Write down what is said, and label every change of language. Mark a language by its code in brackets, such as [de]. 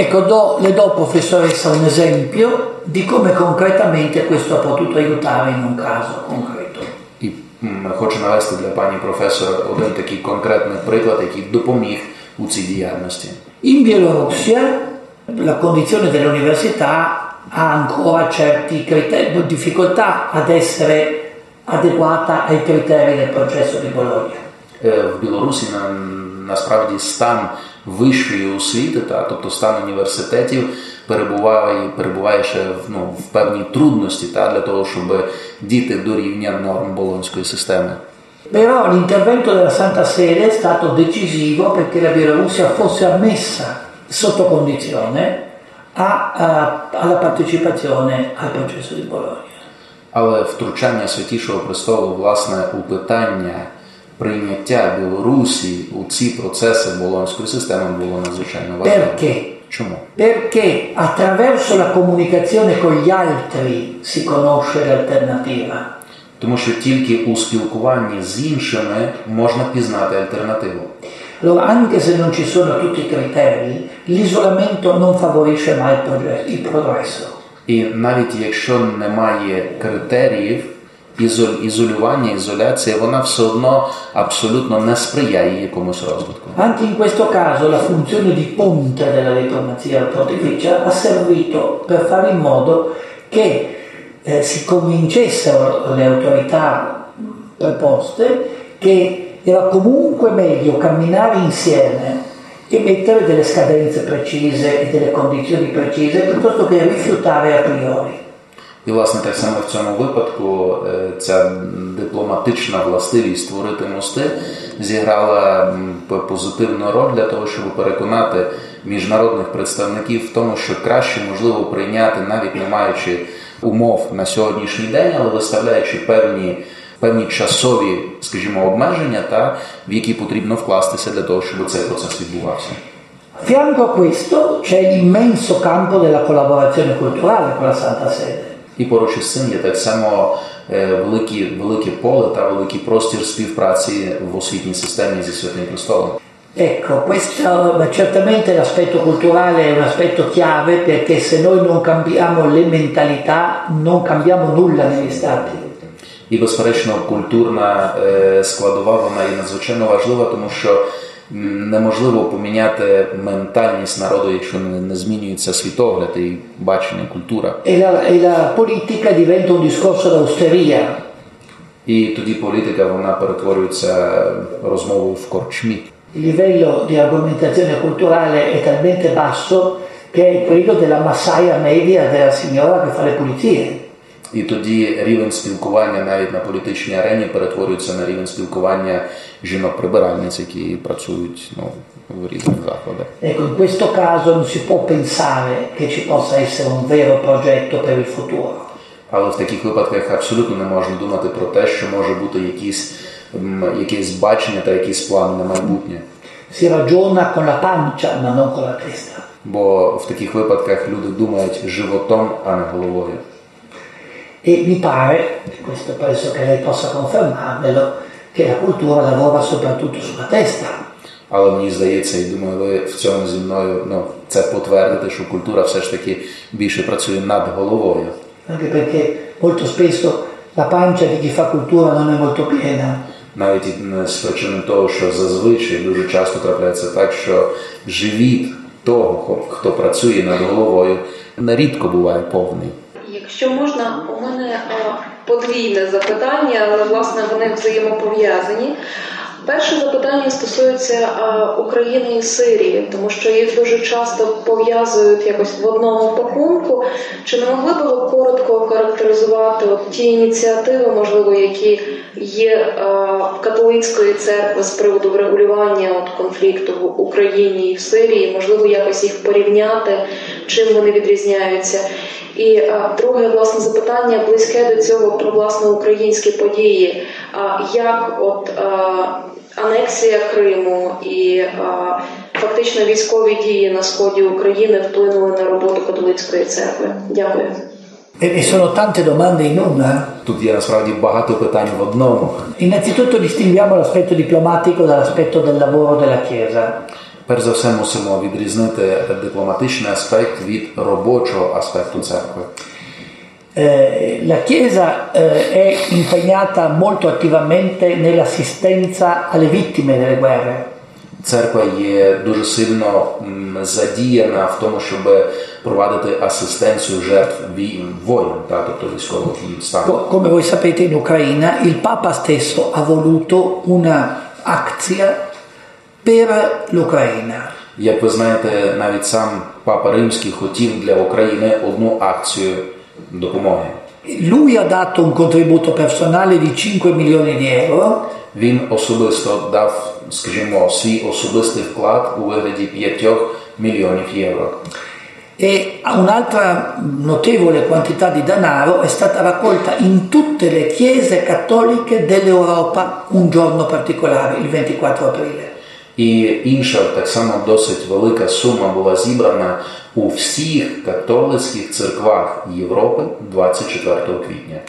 [it] Ecco, le do, professoressa, un esempio di come concretamente questo ha potuto aiutare in un caso concreto. [uk] Хочу навести для пані професора один такий конкретний приклад, який допоміг у цій діяльності. [it] In Bielorussia la condizione dell'università ha ancora certi criteri, difficoltà ad essere adeguata ai criteri del processo di Bologna. [uk] В Білорусі насправді стан вищої освіти, тобто стан університетів, перебуває ще в певній трудності для того, щоб діти до рівня норм Болонської системи. [it] Però l'intervento della Santa Sede è stato decisivo perché la Bielorussia fosse ammessa sotto condizione alla partecipazione al processo di Bologna. [uk] Але втручання Святішого Престолу, власне, у питання прийняття Білорусі у ці процеси Болонської системи було надзвичайно важливо. [it] Perché? [uk] Чому? [it] Perché attraverso la comunicazione con gli altri si conosce l'alternativa. [uk] Тому що тільки у спілкуванні з іншими можна пізнати альтернативу. [it] Allora, anche se non ci sono tutti i criteri, l'isolamento non favorisce mai il progresso. [uk] І навіть якщо немає критеріїв, ізолювання, ізоляція, вона все одно абсолютно не сприяє якомусь розвитку. [it] Anche in questo caso la funzione di ponte della diplomazia pontificia ha servito per fare in modo che si convincessero le autorità preposte che era comunque meglio camminare insieme e mettere delle scadenze precise e delle condizioni precise piuttosto che rifiutare a priori. [uk] І, власне, так само в цьому випадку ця дипломатична властивість створити мости зіграла позитивну роль для того, щоб переконати міжнародних представників в тому, що краще можливо прийняти, навіть не маючи умов на сьогоднішній день, але виставляючи певні часові, скажімо, обмеження, в які потрібно вкластися для того, щоб цей процес відбувався. [it] Fianco a questo c'è l'immenso campo della collaborazione culturale con la Santa Sede. [uk] І поруч із цим є так само велике поле та великий простір співпраці в освітній системі зі Святим Престолом. [it] Ecco, questo certamente l'aspetto culturale è un aspetto chiave perché se noi non cambiamo le mentalità, non cambiamo nulla negli stati. [uk] І безперечно культурна складова вона є надзвичайно важлива, тому що неможливо поміняти ментальність народу, якщо не змінюється світогляд і бачення культура. [it] E la politica diventa un discorso d'austeria. [uk] І тоді політика вона перетворюється розмовою в корчмі. [it] Il livello di argomentazione culturale è talmente basso che è quello della massaia media della signora che fa le pulizie. [uk] І тоді рівень спілкування навіть на політичній арені перетворюється на рівень спілкування жінок-прибиральниць, які працюють, ну, в різних закладах. [it] Ecco, in questo caso non si può pensare che ci possa essere un vero progetto per il futuro. [uk] Але в таких випадках абсолютно не можна думати про те, що може бути якісь бачення та якісь плани на майбутнє. [it] Si ragiona con la pancia, ma non con la testa. [uk] Бо в таких випадках люди думають животом, а не головою. [it] E mi pare, questo penso che lei possa confermarmelo, che la cultura lavora soprattutto sulla testa. [uk] Але мені здається, і думаю, ви в цьому зі мною, ну, це потвердите, що культура все ж таки більше працює над головою. [it] Anche perché molto spesso la pancia di chi fa cultura non è molto piena. [uk] Навіть з причини того, що зазвичай дуже часто трапляється так, що живіт того, хто працює над головою, нерідко буває повний. Якщо можна, у мене подвійне запитання, але, власне, вони взаємопов'язані. Перше запитання стосується України і Сирії, тому що їх дуже часто пов'язують якось в одному пакунку. Чи не могли би ви коротко охарактеризувати ті ініціативи, можливо, які є в католицької церкви з приводу врегулювання конфлікту в Україні і в Сирії, можливо, якось їх порівняти, чим вони відрізняються? І друге, власне, запитання близьке до цього про, власне, українські події. Як от анексія Криму і фактично військові дії на сході України вплинули на роботу католицької церкви? Дякую. [it] E sono tante domande in una. [uk] Тут є насправді багато питань в одному. [it] Innanzitutto distinguiamo l'aspetto diplomatico dall'aspetto del lavoro della Chiesa. [uk] Перш за все мусимо відрізнити дипломатичний аспект від робочого аспекту церкви. [it] La Chiesa è impegnata molto attivamente nell'assistenza alle vittime delle guerre. [uk] Церква є дуже сильно задіяна в тому, щоб провадити асистенцію жертв воєн, тобто військових стану. [it] Come voi sapete, in Ucraina il Papa stesso ha voluto una акція per l'Ucraina. [uk] Як ви знаєте, навіть сам Папа Римський хотів для України одну акцію допомоги. [it] Lui ha dato un contributo personale di 5 milioni di euro. [uk] Він особисто дав, скажімо, свій особистий вклад у вигляді 5 мільйонів євро. [it] E un'altra notevole quantità di denaro è stata raccolta in tutte le chiese cattoliche dell'Europa un giorno particolare, il 24 aprile. [uk] І інша, так само досить велика сума була зібрана у всіх католицьких церквах Європи 24 квітня.